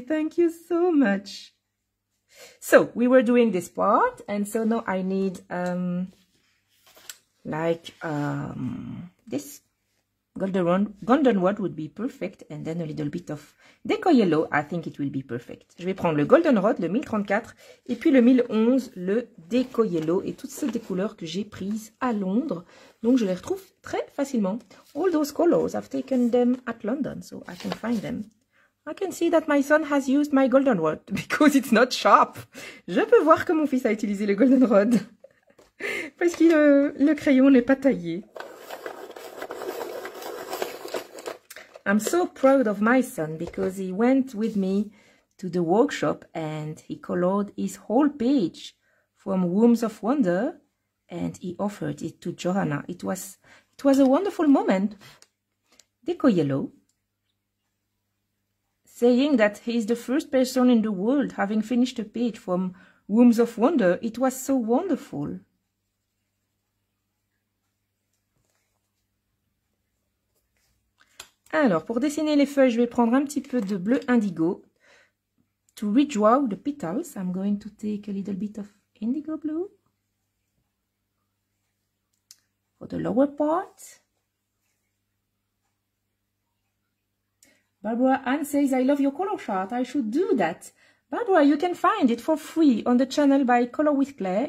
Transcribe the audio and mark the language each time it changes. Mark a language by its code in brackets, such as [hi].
[en] Thank you so much. So, we were doing this part, and so now I need, this. Goldenrod would be perfect, and then a little bit of deco yellow, I think it will be perfect. [fr] Je vais prendre le Goldenrod, le 1034, et puis le 1011, le déco yellow, et toutes ces couleurs que j'ai prises à Londres, donc je les retrouve très facilement. [en] All those colors, I've taken them at London, so I can find them. I can see that my son has used my goldenrod because it's not sharp. Je peux voir que mon fils a utilisé le goldenrod parce que le crayon n'est pas taillé. I'm so proud of my son because he went with me to the workshop and he colored his whole page from Wombs of Wonder and he offered it to Johanna. It was a wonderful moment. Deco yellow. Saying that he is the first person in the world having finished a page from Wombs of Wonder. It was so wonderful. [fr] Alors, pour dessiner les feuilles, je vais prendre un petit peu de bleu indigo. [en] To redraw the petals, I'm going to take a little bit of indigo blue. For the lower part. Barbara Ann says, I love your color chart. I should do that. Barbara, you can find it for free on the channel by Color with Claire.